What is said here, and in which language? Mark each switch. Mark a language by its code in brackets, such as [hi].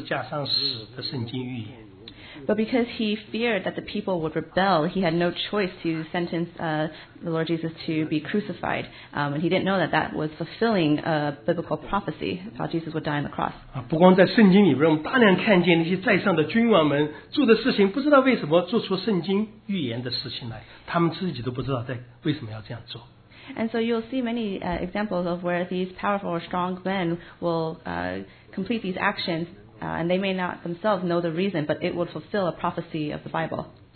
[zh] 但是他毫无选择，因为百姓要反抗，所以他就被迫钉耶稣十字架。他不知道他这个被迫的行为，竟然就成就了耶稣必须要在十字架上死的圣经预言。 [en] But because he feared that the people would rebel, he had no choice to sentence the Lord Jesus to be crucified. And he didn't know that that was fulfilling a biblical prophecy, how Jesus would die on the cross. [zh] 不光在圣经里面,我们大量看见那些在上的君王们做的事情,不知道为什么做出圣经预言的事情来,他们自己都不知道为什么要这样做。 [en] And so you'll see many examples of where these powerful or strong men will complete these actions. And they may not themselves know the reason, but it would fulfill a prophecy of the Bible.